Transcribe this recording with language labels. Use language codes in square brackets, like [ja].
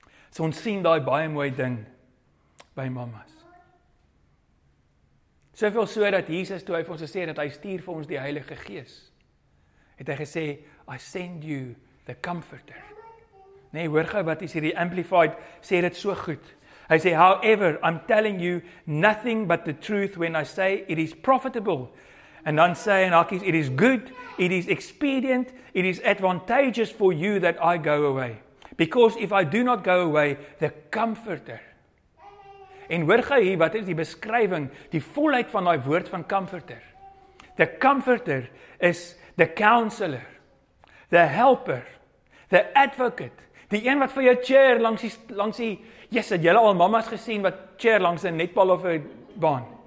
[af] So ons sien daai baie mooi ding by mamas. Soveel so dat Jesus toe hy vir ons gesê dat hy stuur vir ons die Heilige Gees, het hy gesê, [en] I send you the comforter. [af] Nee, hoor gou wat is hierdie Amplified, sê dit so goed. Hy sê, [en] however, I'm telling you nothing but the truth when I say it is profitable. [af] En dan sê hy in hakies, [en] it is good, it is expedient, it is advantageous for you that I go away. Because if I do not go away, the comforter. [af] En hoor gou hier, wat is die beskrywing, die volheid van daai woord van comforter. [en] The comforter is the counselor, the helper, the advocate. [af] Die een wat vir jou cheer langs die, yes, het julle al mamas gesien wat cheer langs 'n netbal of 'n baan.